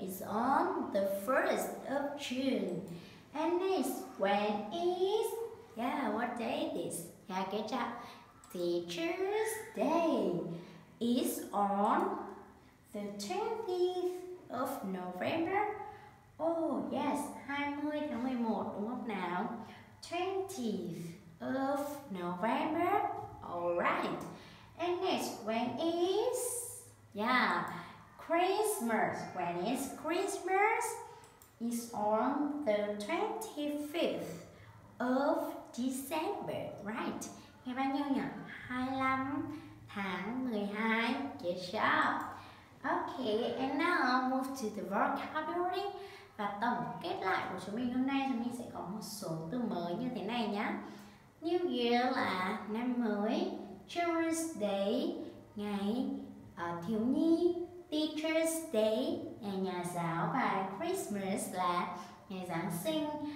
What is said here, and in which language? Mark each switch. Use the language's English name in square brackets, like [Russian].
[English] It's on the 1st of June. And next, when is Yeah, what day is this? Yeah, good job. Teacher's Day is on the 20th of November. [Vietnamese] Oh, yes, 20 tháng 11, đúng không nào? [English] 20th of November. Alright. And next, when is? Yeah, Christmas. When is Christmas? It's on the 25th of December. [Vietnamese] Right. Ngày bao nhiêu nhỉ? 25 tháng 12. [English] Good job. Okay, and now I'll move to the vocabulary. [Vietnamese] Và tổng kết lại của chúng mình hôm nay, chúng mình sẽ có một số từ mới như thế này nhé. New Year là năm mới. Children's Day, ngày thiếu nhi. Teacher's Day, ngày nhà giáo. Và Christmas là ngày Giáng sinh.